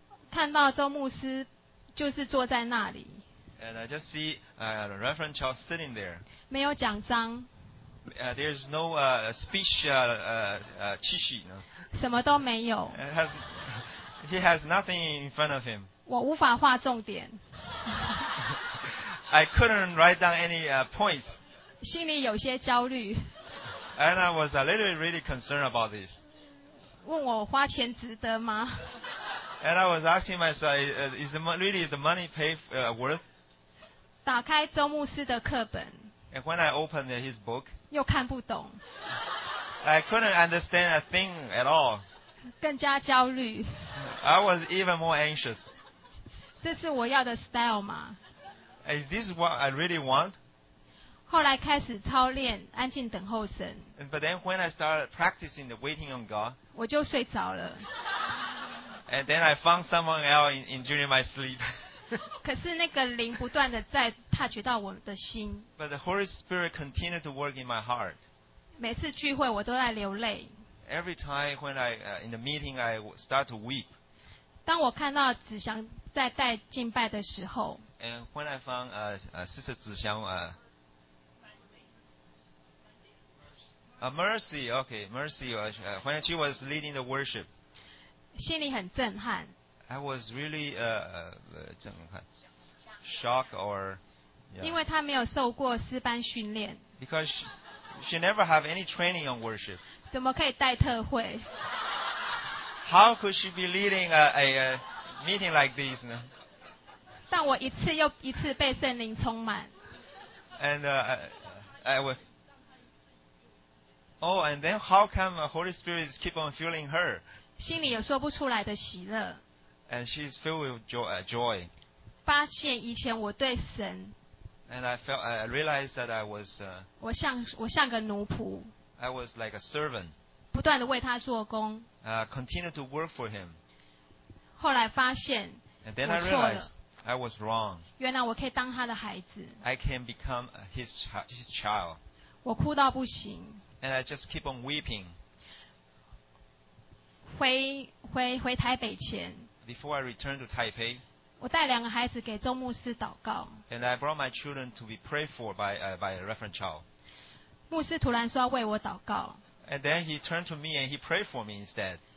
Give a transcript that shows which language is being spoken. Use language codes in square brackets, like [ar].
[zh] 看到周牧师就是坐在那里。 [en] And I just see Reverend Chow sitting there. [zh] 没有讲章。 [en] There is no speech chishi, you know. [zh] 什么都没有。 [en] He has nothing in front of him. [zh] 我无法画重点。 [en] I couldn't write down any points. [zh] 心里有些焦虑。 [en] And I was a little really concerned about this. [zh] 问我花钱值得吗？ [en] And I was asking myself, is really the money worth? [zh] 打开周牧师的课本。 [en] And when I opened his book, [zh] 又看不懂。 [en] I couldn't understand a thing at all. [zh] 更加焦虑。 [en] I was even more anxious. [zh] 这是我要的 style 吗？ [en] Is this what I really want? [zh] 后来开始操练，安静等候神。 [en] But then when I started practicing the waiting on God, [zh] 我就睡着了。 [en] And then I found someone else in during my sleep. [zh] 可是那个灵不断的在 touch 到我的心。 [en] But the Holy Spirit continued to work in my heart. [zh] 每次聚会我都在流泪。 [en] Every time when I in the meeting I start to weep. [zh] 当我看到子祥在带敬拜的时候。 [en] And when I found Sister 子祥Mercy, when she was leading the worship. [zh] 心里很震撼。 [en] I was really [zh] 震撼 [en] ，shock or、yeah. [zh] 因为她没有受过诗班训练。 [en] Because she never have any training on worship. [zh] 怎么可以带特会 [en] ？How could she be leading a meeting like this呢？ [zh] 但我一次又一次被圣灵充满。 [en] And I was. Oh, and then how come the Holy Spirit keep on filling her? [zh] 心里有说不出来的喜乐。 [en] And she's filled with joy. [zh] 发现以前我对神。 [en] And I realized that I was. [zh] 我像个奴仆。 [en] I was like a servant. [zh] 不断的为他做工。 [en] Continue to work for him. [zh] 后来发现。 [en] And then I realized I was wrong. [zh] 原来我可以当他的孩子。 [en] I can become his child. [zh] 我哭到不行。 [en] And I just keep on weeping. [zh] 回台北前 [en] Before I return to Taipei, [zh] 我带两个孩子给周牧师祷告 [en] And I brought my children to be prayed for by Reverend Chow. [zh] 牧师突然说要为我祷告 [en] And then he turned to me and he prayed for me instead.